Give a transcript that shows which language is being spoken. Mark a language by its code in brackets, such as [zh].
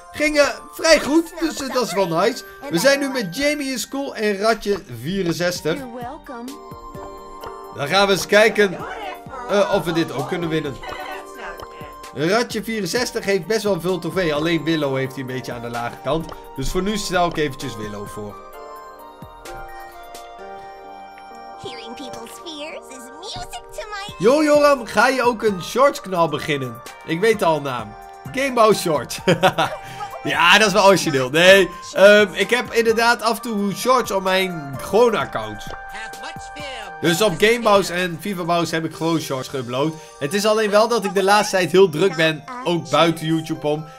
[nl] Gingen vrij goed, dus dat is wel nice. We zijn nu met Jamie in school en Ratje 64. Dan gaan we eens kijken of we dit ook kunnen winnen. Ratje 64 heeft best wel veel trofee. Alleen Willow heeft hij een beetje aan de lage kant. Dus voor nu stel ik eventjes Willow voor. [en] Hearing people's fears is music to my... [nl] Yo Joram, ga je ook een shortskanaal beginnen? Ik weet al een naam. Gamebow Shorts. Ja, dat is wel origineel. Nee, ik heb inderdaad af en toe shorts op mijn gewone account. Dus op Gamebows en FIFABows heb ik gewoon shorts geüpload. Het is alleen wel dat ik de laatste tijd heel druk ben, ook buiten YouTube om.